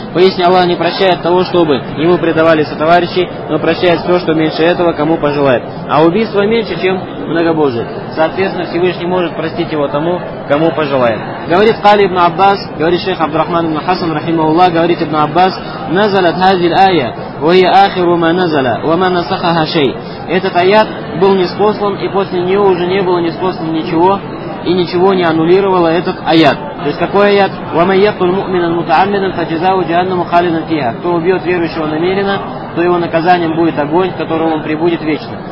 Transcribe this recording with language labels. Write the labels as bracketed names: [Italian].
[Russian] Поистине Аллах не прощает того, чтобы ему предавали сотоварищи, но прощает все, что меньше этого, кому пожелает. А убийство меньше, чем многобожие. Соответственно, Всевышний может простить его тому, кому пожелает. Говорит Кали ибн Аббас, говорит шейх Абдурахман ибн Хасан, рахимахуллах, говорит ибн Аббас: [Arabic] «Назалат хази ая». وهي آخر ما نزل وما نسخها شيء. [Russian] Этот аят был ниспослан, и после него уже не было ниспослано ничего, и ничего не аннулировало этот аят. То есть какой аят? [Arabic] وَمَنْ يَقْتُلْ مُؤْمِنًا مُتَعَمِّدًا فَجَزَاؤُهُ جَهَنَّمُ خَالِدًا فِيهَا. [Russian] Кто убьет верующего намеренно, то его наказанием будет огонь, к которому он прибудет вечно.